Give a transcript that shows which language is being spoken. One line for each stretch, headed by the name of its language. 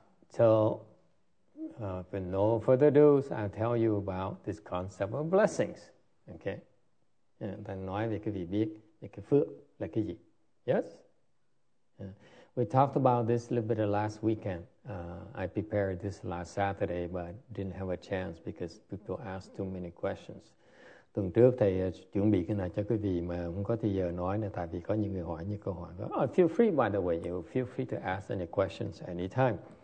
English: So, with no further ado, I'll tell you about this concept of blessings. Okay?
Vietnamese: Then nói về cái vị biết, về cái phước là cái gì.
English: Yes? Yeah. We talked about this a little bit last weekend. I prepared this last Saturday, but didn't have a chance because people asked too many questions.
Vietnamese: Tuần trước thầy chuẩn bị cái này cho quý vị mà không có thời giờ nói nữa, tại vì có những người hỏi những câu hỏi.
English: Oh, feel free, by the way, you feel free to ask any questions anytime.